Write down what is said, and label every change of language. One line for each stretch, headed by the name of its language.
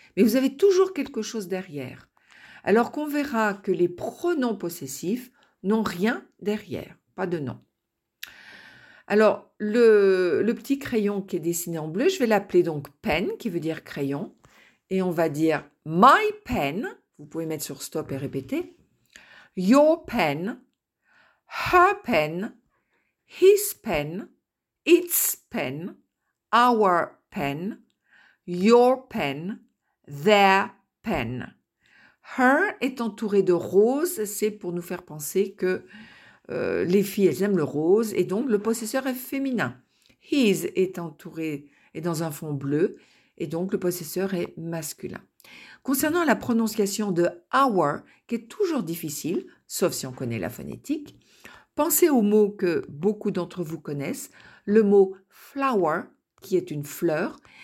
French: Mais vous avez toujours quelque chose derrière. Alors qu'on verra que les pronoms possessifs n'ont rien derrière, pas de nom. Alors, le petit crayon qui est dessiné en bleu, je vais l'appeler donc pen, qui veut dire crayon. Et on va dire my pen, vous pouvez mettre sur stop et répéter.
English: Your pen, her pen, his pen, its pen, our pen, your pen, their pen.
French: Her est entourée de rose, c'est pour nous faire penser que les filles, elles aiment le rose et donc le possesseur est féminin. His est entouré et dans un fond bleu et donc le possesseur est masculin. Concernant la prononciation de our, qui est toujours difficile, sauf si on connaît la phonétique, pensez au mot que beaucoup d'entre vous connaissent, le mot flower, qui est une fleur.